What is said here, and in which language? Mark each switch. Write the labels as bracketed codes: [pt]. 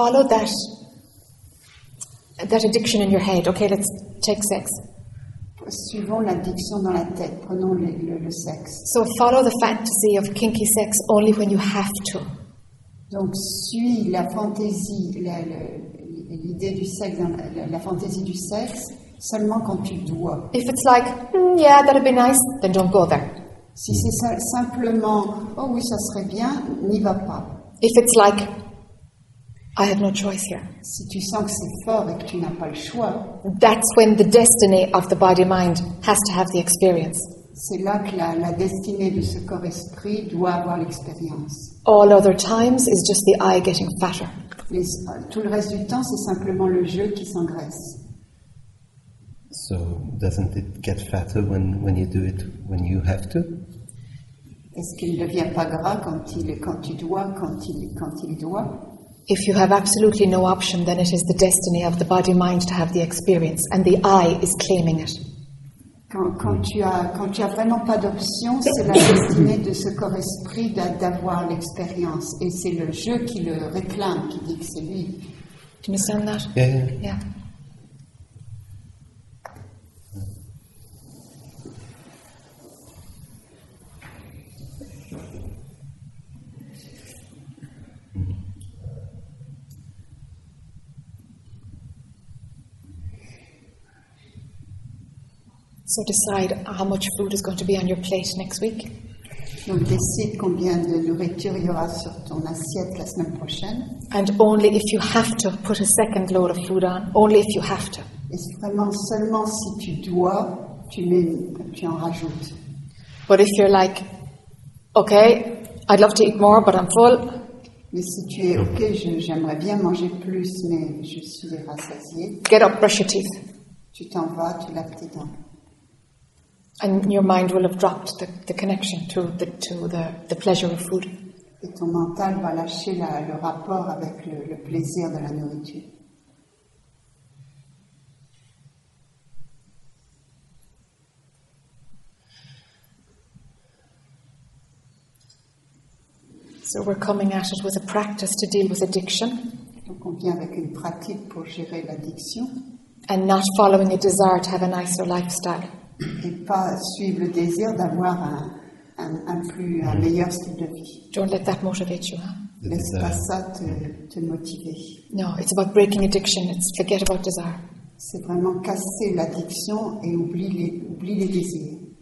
[en] Follow that addiction in your head. Okay, let's take sex. [fr] Suivons l'addiction dans la tête. Prenons le sexe. [en] So follow the fantasy of kinky sex only when you have to. [fr] Donc suis la fantaisie l'idée du sexe, la fantaisie du sexe, seulement quand tu dois. [en] If it's like, yeah, that'd be nice, then don't go there. [fr] Si c'est simplement, oh oui, ça serait bien, n'y va pas. [en] If it's like, I have no choice here. [fr] Si tu sens que c'est fort et que tu n'as pas le choix. [en] That's when the destiny of the body-mind has to have the experience. [fr] C'est là que la destinée de ce corps-esprit doit avoir l'expérience. [en] All other times is just the eye getting fatter. [fr] Tout le reste du temps, c'est simplement le jeu qui s'engraisse. [en] So, doesn't it get fatter when you do it when you have to? [fr] Est-ce qu'il ne devient pas gras quand il doit? [en] If you have absolutely no option, then it is the destiny of the body-mind to have the experience, and the eye is claiming it. [fr] Quand tu as vraiment pas d'option, c'est la destinée de ce corps-esprit d'avoir l'expérience. Et c'est le jeu qui le réclame, qui dit que c'est lui. [en] Do you understand that? Yeah. Yeah. So decide how much food is going to be on your plate next week. [fr] Donc décide combien de nourriture il y aura sur ton assiette la semaine prochaine. [en] And only if you have to put a second load of food on. Only if you have to. [fr] Et vraiment seulement si tu dois, tu en rajoutes. [en] But if you're like, okay, I'd love to eat more, but I'm full. [fr] Mais si tu es ok, j'aimerais bien manger plus, mais je suis rassasié. [en] Get up, brush your teeth. [fr] Tu t'en vas, tu laves tes dents. [en] And your mind will have dropped the connection to the pleasure of food. [fr] Et ton mental va lâcher le rapport avec le plaisir de la nourriture. [en] So we're coming at it with a practice to deal with addiction. [fr] Donc on vient avec une pratique pour gérer l'addiction. [en] And not following a desire to have a nicer lifestyle. [fr] Et pas suivre le désir d'avoir un meilleur style de vie. [en] Don't let that motivate you, huh? [fr] laisse pas ça te motiver. [en] No, it's about breaking addiction. It's forget about desire. [fr] C'est vraiment casser l'addiction et oublie les désirs.